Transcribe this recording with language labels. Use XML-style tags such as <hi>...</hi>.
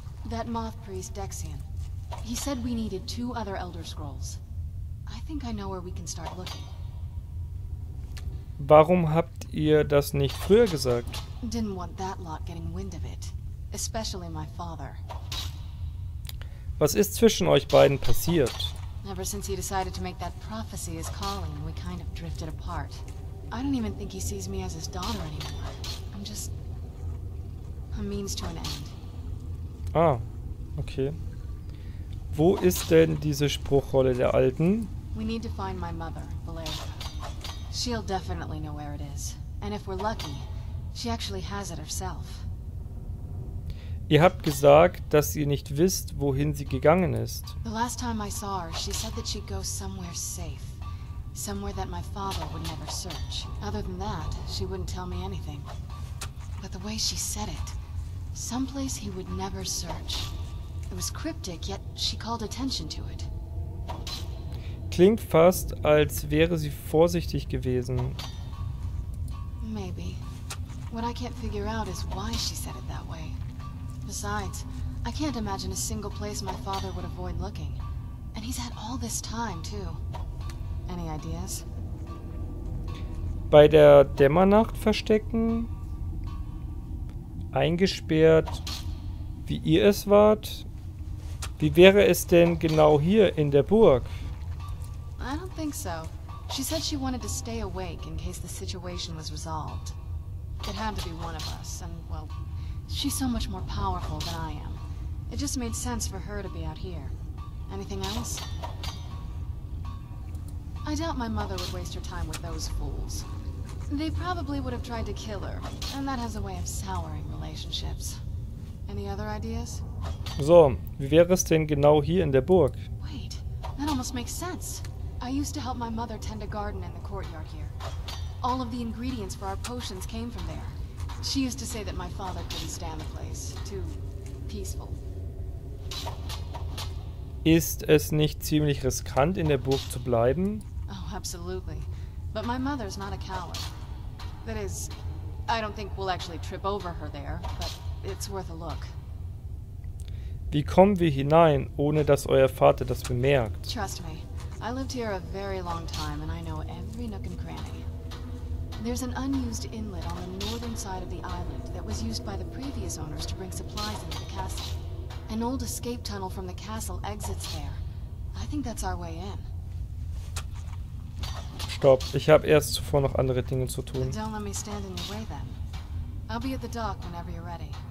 <en>That moth priest Dexian. He said we needed two other Elder Scrolls. I think I know where we can start looking.</en> <de>Warum habt ihr das nicht früher gesagt?</de> <en>Didn't want that lot getting wind of it, especially my father.</en> <de>Was ist zwischen euch beiden passiert?</de> <en>Ever since he decided to make that prophecy his calling, we kind of drifted apart. I don't even think he sees me as his daughter anymore. I'm just a means to an end. Ah, okay.</en> <de>Wo ist denn diese Spruchrolle der Alten?</de> <en>We need to find my mother, Valeria. She'll definitely know where it is. And if we're lucky, she actually has it herself.</en> <de>Ihr habt gesagt, dass ihr nicht wisst, wohin sie gegangen ist.</de> <en>The last time I saw her, she said that she'd go somewhere safe. Somewhere that my father would never search. Other than that, she wouldn't tell me anything. But the way she said it, someplace he would never search. It was cryptic, yet she called attention to it.</en> <de>Klingt fast, als wäre sie vorsichtig gewesen.</de> <en>Maybe. What I can't figure out is why she said it that way. Besides, I can't imagine a single place my father would avoid looking. And he's had all this time, too. Any ideas?</en> <de>Bei der Dämmernacht verstecken? Eingesperrt, wie ihr es wart? Wie wäre es denn genau hier in der Burg?</de> <en>I don't think so. She said she wanted to stay awake in case the situation was resolved. It had to be one of us, and well, she's so much more powerful than I am. It just made sense for her to be out here. Anything else? I doubt my mother would waste her time with those fools. They probably would have tried to kill her, and that has a way of souring relationships. Any other ideas?</en> <de>So, wie wäre es denn genau hier in der Burg?</de> <en>Wait, that almost makes sense. I used to help my mother tend a garden in the courtyard here. All of the ingredients for our potions came from there. She used to say that my father couldn't stand the place. Too peaceful.</en> <de>Ist es nicht ziemlich riskant, in der Burg zu bleiben?</de> <en>Oh, absolutely. But my mother's not a coward. That is, I don't think we'll actually trip over her there, but it's worth a look.</en> <de>Wie kommen wir hinein, ohne dass euer Vater das bemerkt?</de> <en>Trust me, I lived here a very long time and I know every nook and cranny. There's an unused inlet on the northern side of the island that was used by the previous owners to bring supplies into the castle. An old escape tunnel from the castle exits there. I think that's our way in.</en> <de>Stopp, ich habe erst zuvor noch andere Dinge zu tun.</de> <en>Then don't let me stand in your way then. I'll be at the dock whenever you're ready.</en>